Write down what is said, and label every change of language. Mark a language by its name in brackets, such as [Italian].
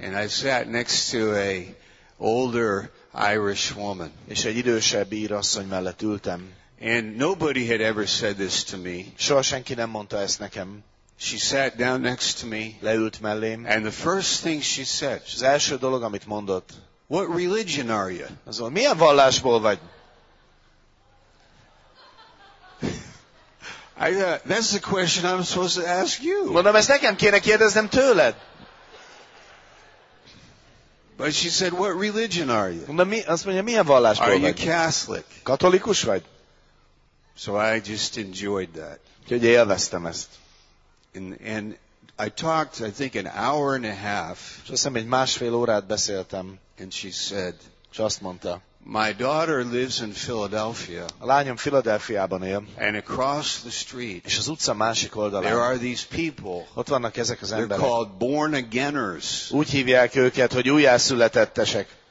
[English] And I sat next to a older Irish woman. [Hungarian] És egy idősebb ír asszony mellett ültem. [English] And nobody had ever said this to me. [Hungarian] Soha senki nem mondta ezt nekem. [English] She sat down next to me. [Hungarian] Leült mellém. [English] And the first thing she said. [Hungarian] Az első dolog, amit mondott. [English] What religion are you? [Hungarian] Az volt, milyen vallásból vagy? [English] That's the question I'm supposed to ask you. [Hungarian] Mondom, ezt nekem kéne kérdeznem tőled. [English] But she said, what religion are you? [Hungarian] Mondom, azt mondja, milyen vallásból [English] are [Hungarian] vagy? [English] Are you Catholic? [Hungarian] Katolikus vagy? [English] So I just enjoyed that. [Hungarian] Úgyhogy élveztem ezt. [English] And I talked, I think, an hour and a half. [Hungarian] Szerintem egy másfél órát beszéltem. [English] And she said, [Hungarian] azt mondta, [English] my daughter lives in Philadelphia. [Hungarian] A lányom Philadelphiában él. [English] And across the street. [Hungarian] És az utca másik oldalán. [English] There are these people. [Hungarian] Ott vannak ezek az emberek. [English] They're called born againers. [Hungarian] Úgy hívják őket, hogy újjászületettesek.